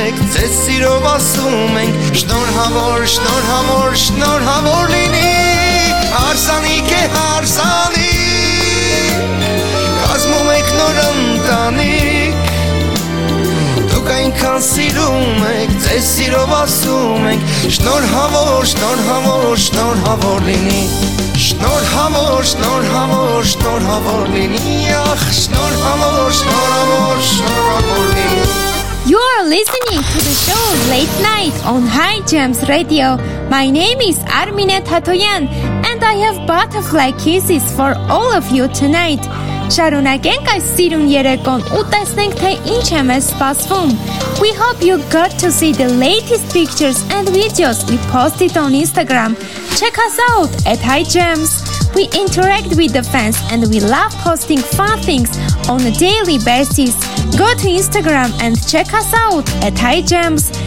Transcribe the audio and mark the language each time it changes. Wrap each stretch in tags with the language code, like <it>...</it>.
<hy>Ձեզ սիրով ասում ենք Շնորհավոր, շնորհավոր, շնորհավոր լինի Հարսանիք է հարսանիք Կազմում եք նոր ընտանիք Դուք այնքան սիրում եք Ձեզ սիրով ասում ենք Շնորհավոր, շնորհավոր, շնորհավոր լինի Շնորհավոր, շնորհավոր, շնորհավոր լինի Ախ, շնորհավոր, շնորհավոր, շնորհավոր լինի</hy> <en>You are listening to the show Late Night on High Jams Radio. My name is Armine Tatoyan and I have butterfly kisses for all of you tonight.</en> <hy>Շարունակենք այս սիրուն երեկոն ու տեսնենք թե ինչ է մեզ սպասվում.</hy> <en>We hope you got to see the latest pictures and videos we posted on Instagram. Check us out at High Jams. We interact with the fans and we love posting fun things on a daily basis. Go to Instagram and check us out at High Jams.</en>